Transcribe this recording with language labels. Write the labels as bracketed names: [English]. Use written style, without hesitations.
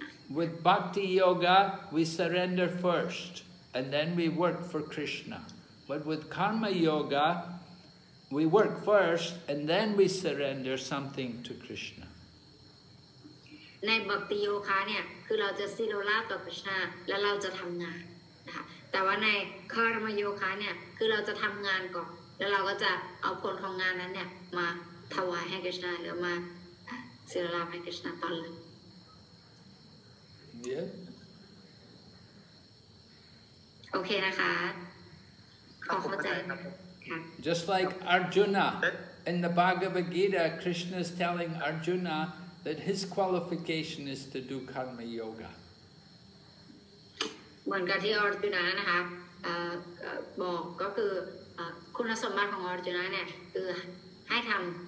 [English] With Bhakti Yoga, we surrender first, and then we work for Krishna. But with Karma Yoga, we work first, and then we surrender something to Krishna. [Thai] ในบัคติโยคะเนี่ยคือเราจะซีโรล่าต่อ Krishna และเราจะทำงานนะคะแต่ว่าในคารมโยคะเนี่ยคือเราจะทำงานก่อนแล้วเราก็จะเอาผลของงานนั้นเนี่ยมาถวายให้ Krishna หรือมาศิลาให้ Krishna ตอนนี้ [English] Yes [Thai] โอเคนะคะขอเข้าใจครับ [English] Just like Arjuna in the Bhagavad Gita Krishna is telling Arjuna that his qualification is to do karma yoga [Thai] เหมือนกับที่ Arjuna นะคะบอกก็คือคุณสมบัติของ Arjuna เนี่ยคือให้ทำ